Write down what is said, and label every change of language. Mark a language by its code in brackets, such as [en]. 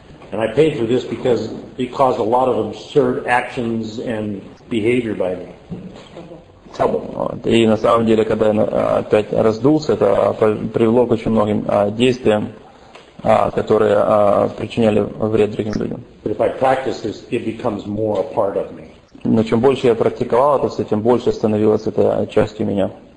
[en] And I paid for this because it caused a lot of absurd actions and behavior by me. [ru] И на самом деле, когда я опять раздулся, это привело к очень многим действиям, которые причиняли вред другим людям. [en] But if I practice this, it becomes more a part of me. [ru] Но чем больше я практиковал это, тем больше становилось это частью меня.